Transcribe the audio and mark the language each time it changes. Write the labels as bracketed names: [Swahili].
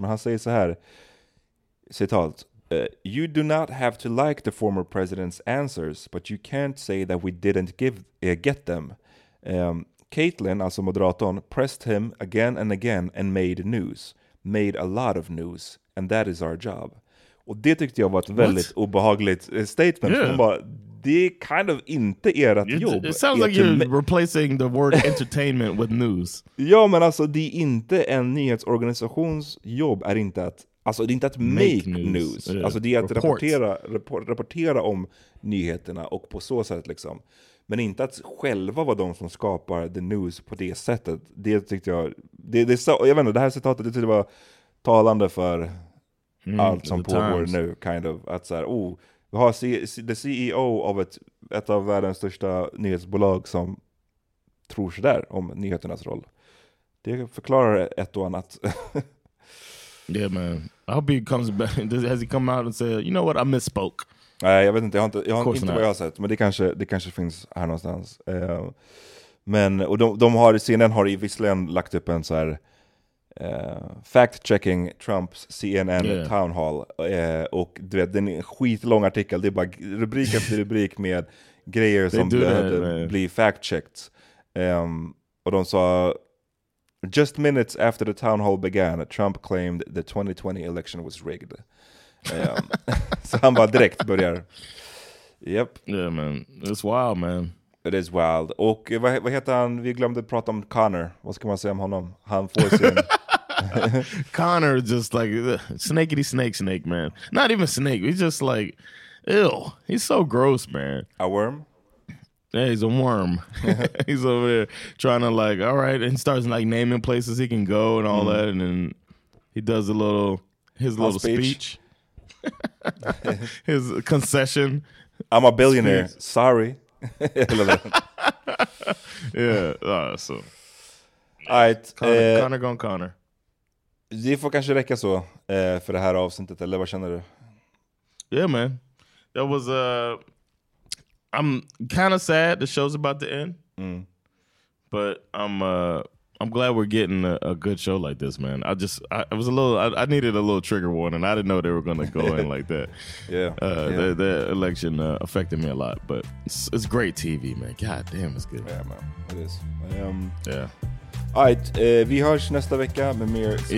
[Swedish] Men han säger så här, citat, [English] "You do not have to like the former president's answers, but you can't say that we didn't get them. Caitlin, [Swedish] alltså moderatorn, [English] pressed him again and again and made news. Made a lot of news, and that is our job." [Swedish] Och det tyckte jag var ett väldigt obehagligt [English] statement. Yeah. [Swedish] Hon bara, det är [English] kind of [Swedish] inte ert jobb. [English] It sounds like you're replacing the word entertainment with news. [Swedish] Ja, men alltså det är inte en nyhetsorganisations jobb. Är inte att, alltså, det är inte att [English] make news. [Swedish] Alltså det är att rapportera om nyheterna och på så sätt liksom. Men inte att själva vara de som skapar [English] the news [Swedish] på det sättet. Det tyckte jag, jag vet inte, det här citatet tyckte jag var talande för allt som pågår nu, [English] kind of, [Swedish] att såhär, vi har [English] the CEO [Swedish] av ett av världens största nyhetsbolag som tror sig där om nyheternas roll. Det förklarar ett och annat. [English] Yeah man, I hope he comes back, has he come out and say, you know what, I misspoke. [Swedish] Nej, jag vet inte, jag har inte vad jag har sett, men det kanske finns här någonstans. Men, och CNN har i visserligen lagt upp en så här. [English] Fact-checking Trumps CNN town hall. [Swedish] Och du vet, det är en skitlång artikel. Det är bara rubrik efter rubrik med grejer som behövde bli fact-checked. Och de sa, [English] just minutes after the town hall began, Trump claimed the 2020 election was rigged. [Swedish] så han bara direkt börjar. [English] Yep. Yeah man, it's wild man. It is wild. [Swedish] Och vad heter han? Vi glömde prata om Connor. Vad ska man säga om honom? Han får sin... [English] Connor just like snakey snake man. Not even snake. He's just like Ew, he's so gross, man. A worm? Yeah, he's a worm. He's over there trying to like, all right, and starts like naming places he can go and all that, and then he does a little his little speech. His concession. I'm a billionaire. Sorry. Yeah, so. Alright, Connor. [Swedish] Det får kanske räcka så för det här avsnittet, eller vad känner du? [English] Yeah, man. That was I'm kind of sad the show's about to end. But I'm glad we're getting a good show like this, man. I needed a little trigger warning. I didn't know they were going to go in like that. Yeah. The election affected me a lot, but it's great TV, man. God damn, it's good. Yeah, man. It is. Yeah. All right, [Swedish] vi hörs nästa vecka med mer Succession,